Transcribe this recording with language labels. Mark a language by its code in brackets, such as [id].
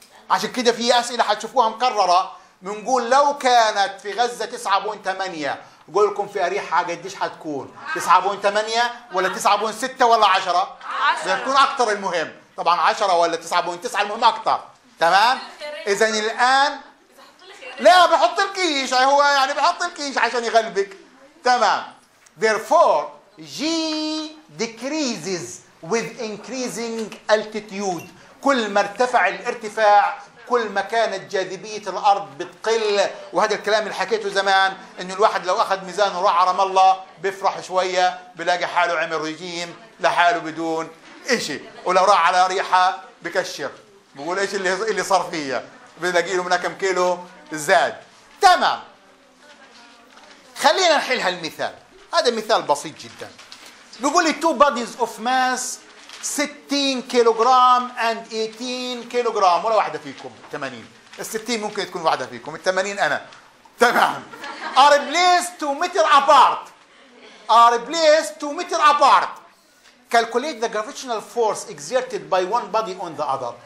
[ar] عشان كده في اسئله حتشوفوها مكرره بنقول لو كانت في غزه 9.8 بقول لكم في اريحا قديش حتكون؟ 9.8 ولا 9.6 ولا 10؟ بتكون اكثر. المهم طبعا 10 ولا 9.9 المهم اكثر. تمام. اذا الان لا بحط الكيش، هو يعني بحط الكيش عشان يغلبك. تمام. [en] Therefore, G decreases with increasing altitude. [ar] كل ما ارتفع الارتفاع كل ما كانت جاذبية الأرض بتقل. وهذا الكلام اللي حكيته زمان، إنه الواحد لو أخذ ميزان وراح رام الله بيفرح شوية بلاقي حاله عمل رجيم لحاله بدون إشي، ولو راح على ريحة بكشر بقول إيش اللي صار فيها، بلاقي له من كم كيلو زاد. تمام. خلينا نحل هالمثال. هذا مثال بسيط جدا. بيقول لي [en] two bodies of mass 60 kilogram and 18 kilogram. [ar] ولا واحدة فيكم 80، الستين ممكن تكون واحدة فيكم، الثمانين أنا. تمام. [en] are placed 2 meters apart. are placed 2 meters apart. calculate the gravitational force exerted by one body on the other.